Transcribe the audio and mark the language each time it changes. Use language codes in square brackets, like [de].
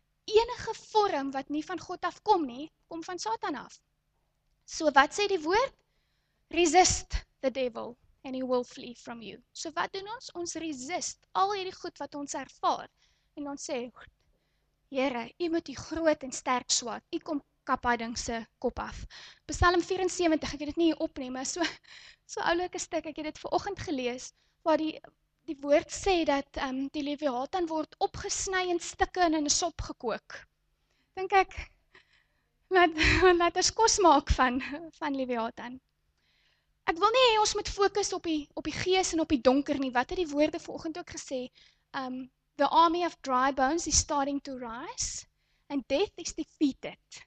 [af] Enige vorm wat nie van God afkom nie, kom van Satan af. So wat sê die woord? [en] Resist the devil and he will flee from you. [af] So wat doen ons? Ons resist al hierdie goed wat ons ervaar. En ons sê, Here, u moet die groot en sterk swaard, u kom kapading se kop af. Psalm 74, ek het dit nie hier opneem, maar so oulike stuk, ek het dit vanoggend gelees, waar die woord sê dat die Leviathan word opgesny in stukke en in 'n sop gekook. Dink ek, laat ons kos maak van Leviathan. Ek wil nie hê ons moet fokus op die gees en op die donker nie. Wat het die woorde vanoggend ook gesê? [en] The army of dry bones is starting to rise and death is defeated.